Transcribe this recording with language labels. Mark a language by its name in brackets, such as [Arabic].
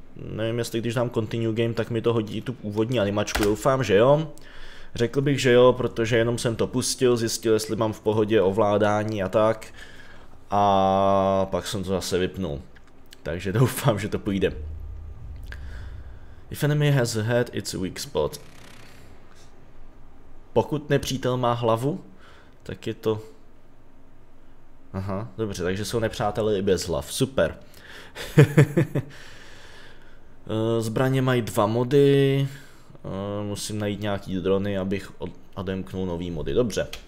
[Czech] Nevím, jestli když dám continue game, tak mi to hodí tu úvodní animačku. Doufám, že jo. Řekl bych, že jo, protože jenom jsem to pustil, zjistil, jestli mám v pohodě ovládání a tak. A pak jsem to zase vypnul. Takže doufám, že to půjde. [English] If enemy has a head, it's a weak spot. [Czech] Pokud nepřítel má hlavu, tak je to... Aha, dobře, takže jsou nepřátelé i bez hlav, super. Zbraně mají dva mody. Musím najít nějaký drony, abych odemknul nový mody, dobře.